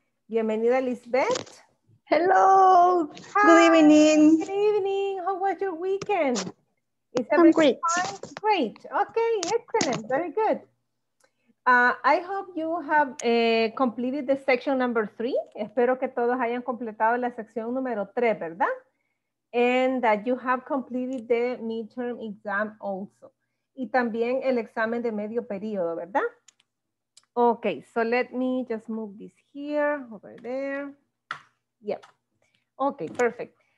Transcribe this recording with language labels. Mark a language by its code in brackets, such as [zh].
[es] Bienvenida, Lisbeth. [en] Hello. Hi. Good evening. Good evening. How was your weekend? Is everything fine? Great. Okay, excellent. Very good. I hope you have completed the section number 3. [es] Espero que todos hayan completado la sección número 3, ¿verdad? [en] And that you have completed the midterm exam also. [es] Y también el examen de medio periodo, ¿verdad? [en] Okay, so let me just move this here, over there. Yep. Okay, perfect.